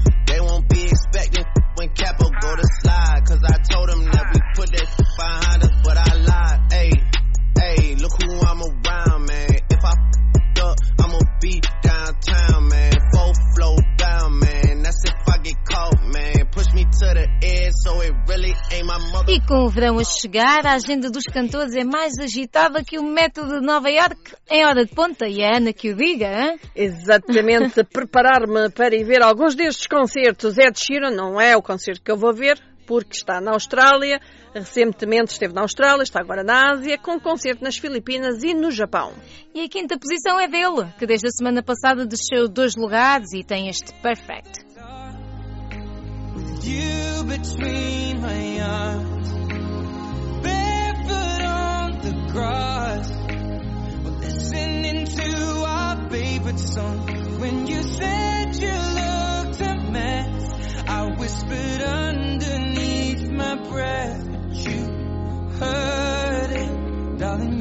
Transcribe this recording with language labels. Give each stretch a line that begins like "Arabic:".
English: They won't be expecting when Capo go to slide. Cause I told them that we put that behind us, but I lied. Hey, hey, look who I'm around, man. If I fucked up, I'ma be downtown, man. Full flow down, man. That's if I get caught, man. Push me to the edge, so it really ain't my mother.
Portuguese: E com o verão a chegar, a agenda dos cantores é mais agitada que o metro de Nova York em hora de ponta. E a Ana que o diga, hein? Exatamente. Preparar-me para ir ver alguns destes concertos. Ed Sheeran não é o concerto que eu vou ver, porque está na Austrália. Recentemente esteve na Austrália, está agora na Ásia, com um concerto nas Filipinas e no Japão. E a quinta posição é dele, que desde a semana passada desceu 2 lugares e tem este Perfect.
English: You between my arms, barefoot on the grass, listening to our favorite song. When you said you looked a mess, I whispered underneath my breath, but you heard it, darling.